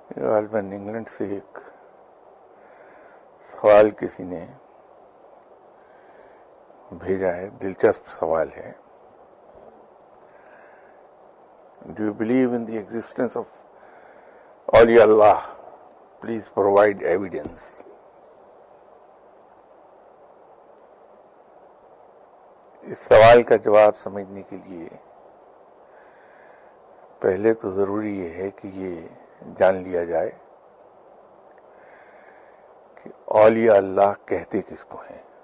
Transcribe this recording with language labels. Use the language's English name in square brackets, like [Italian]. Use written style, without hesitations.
[Urdu] غالباً انگلینڈ سے ایک سوال کسی نے بھیجا ہے, دلچسپ سوال ہے. [English] Do you believe in the existence of Awliyaullah? Please provide evidence. [Urdu] اس سوال کا جواب سمجھنے کے لیے پہلے تو ضروری یہ ہے کہ یہ جان لیا جائے کہ اولیاء اللہ کہتے کس کو ہیں.